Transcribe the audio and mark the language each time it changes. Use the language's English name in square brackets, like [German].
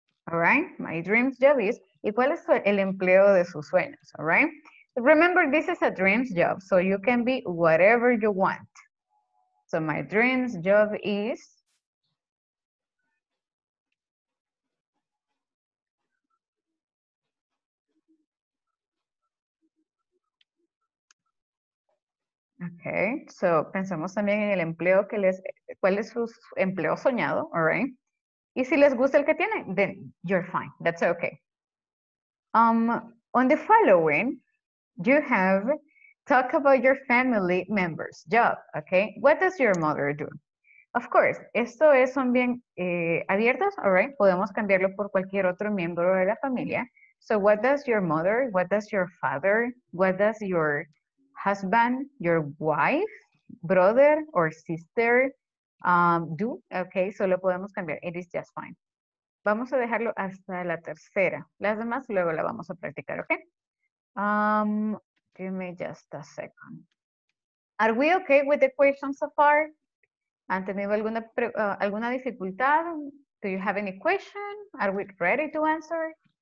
[English] All right, my dream's job is, [Spanish] ¿y cuál es el empleo de sus sueños? [English] All right, remember, this is a dream's job, so you can be whatever you want. So my dream's job is, okay, so [Spanish] pensemos también en el empleo que les, ¿cuál es su empleo soñado? [English] All right. [Spanish] Y si les gusta el que tiene, [English] then you're fine. That's okay. On the following, you have talk about your family member's job, okay? What does your mother do? Of course, [Spanish] esto es, son bien abiertos, [English] all right? [Spanish] Podemos cambiarlo por cualquier otro miembro de la familia. [English] So what does your mother, what does your father, what does your husband, your wife, brother or sister, do, okay, [Spanish] solo podemos cambiar. [English] It is just fine. [Spanish] Vamos a dejarlo hasta la tercera. Las demás luego la vamos a practicar, okay? [English] Give me just a second. Are we okay with the questions so far? [Spanish] ¿Han tenido alguna alguna dificultad? [English] Do you have any question? Are we ready to answer? Okay.